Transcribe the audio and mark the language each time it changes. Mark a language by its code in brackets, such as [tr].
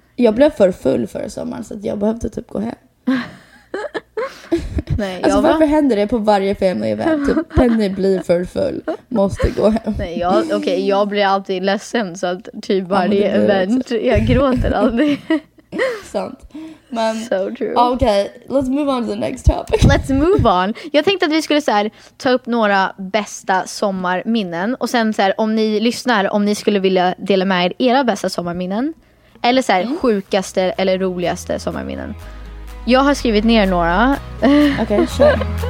[sv] Jag blev för full förra sommaren så att jag behövde typ gå hem. Nej, alltså, varför händer det på varje family event? Typ, Penny blir för full, måste gå hem. Nej, jag blir alltid ledsen så att typ varje event också. Jag gråter aldrig. Sant. Men [en] so true. Okay, let's move on to the next topic. Let's move on. [sv] Jag tänkte att vi skulle så här, ta upp några bästa sommarminnen och sen så här, om ni lyssnar, om ni skulle vilja dela med er era bästa sommarminnen eller så här, sjukaste eller roligaste sommarminnen. Jag har skrivit ner några. [en] Okej, okay, sure.